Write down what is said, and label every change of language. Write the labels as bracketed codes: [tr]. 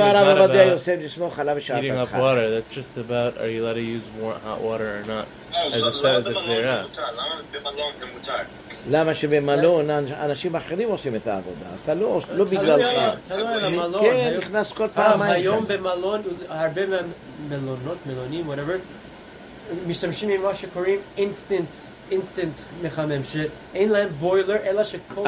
[he] הרב עבדיה יוסף, לסמוך עליו שעת אחת. [en] Heating up water, that's just about, are you allowed to use more hot water or not? [he] אז זה לא במלון, זה מותר. למה במלון זה מותר? למה שבמלון אנשים אחרים עושים את העבודה? אתה לא בגללך. תלוי על המלון. כן, נכנס כל פעם. היום במלון, הרבה מלונות, מלונים, whatever, משתמשים עם מה שקוראים אינסטנט מחמם, שאין להם בוילר, אלא שכל...